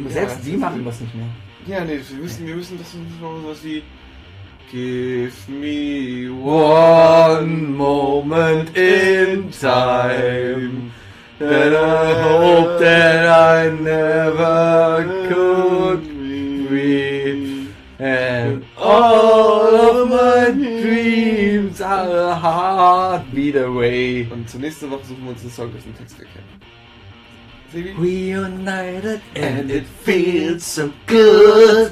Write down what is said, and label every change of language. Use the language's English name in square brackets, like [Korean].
[German] Selbst die machen das nicht mehr. Ja, nee, wir müssen das machen, was sie... [English] Give me one moment in time. And I hope that I never could reach. And all of my dreams are a heartbeat away. [German] Und zur nächsten Woche suchen wir uns einen Song, dessen Text wir kennen. Reunited and it feels so good.